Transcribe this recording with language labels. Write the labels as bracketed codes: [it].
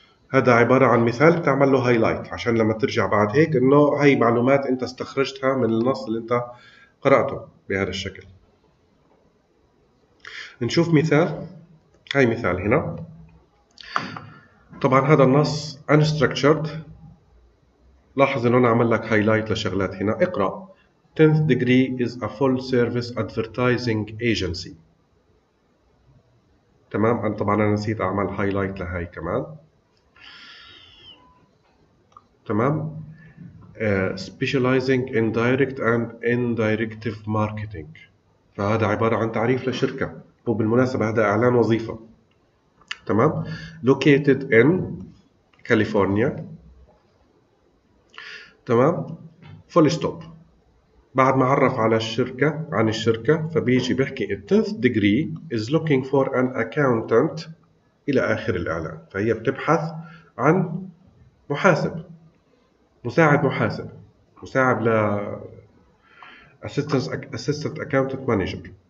[ar] هذا عبارة عن مثال بتعمل له هايلايت عشان لما ترجع بعد هيك انه هاي معلومات انت استخرجتها من النص اللي انت قرأته بهذا الشكل. نشوف مثال، هاي مثال هنا. طبعا هذا النص unstructured، لاحظ انه انا عمل لك هايلايت لشغلات هنا. اقرأ: [en] 10th degree is a full service advertising agency. [ar] تمام، انا طبعا انا نسيت اعمل هايلايت لهاي كمان. تمام، [en] specializing in direct and indirect marketing، [ar] فهذا عبارة عن تعريف لشركة، وبالمناسبة هذا إعلان وظيفة. تمام، [en] located in California. [ar] تمام، [en] full stop. [ar] بعد ما عرف على الشركة، عن الشركة، فبيجي بيحكي [en] a 10th degree is looking for an accountant [ar] إلى آخر الإعلان، فهي بتبحث عن محاسب، مساعد محاسب، مساعد ل [en] assistant accountant manager.